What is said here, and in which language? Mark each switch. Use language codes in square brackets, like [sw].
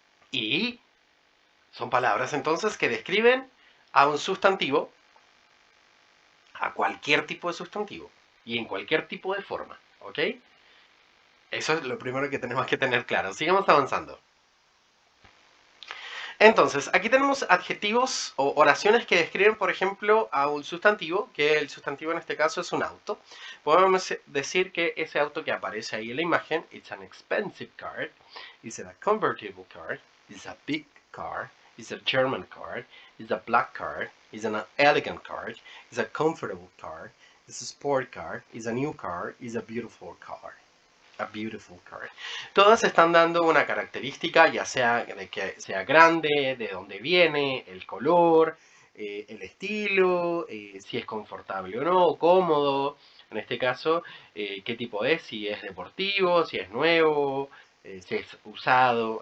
[es] Y son palabras entonces que describen a un sustantivo, a cualquier tipo de sustantivo y en cualquier tipo de forma. ¿Ok? Eso es lo primero que tenemos que tener claro. Sigamos avanzando. Entonces, aquí tenemos adjetivos o oraciones que describen, por ejemplo, a un sustantivo, que el sustantivo en este caso es un auto. Podemos decir que ese auto que aparece ahí en la imagen, [en] it's an expensive car, it's a convertible car, it's a big car, it's a German car, it's a black car, it's an elegant car, it's a comfortable car, it's a sport car, it's a new car, it's a beautiful car. A beautiful car. [es] Todas están dando una característica, ya sea de que sea grande, de dónde viene, el color, el estilo, si es confortable o no, o cómodo. En este caso, qué tipo es, si es deportivo, si es nuevo, si es usado.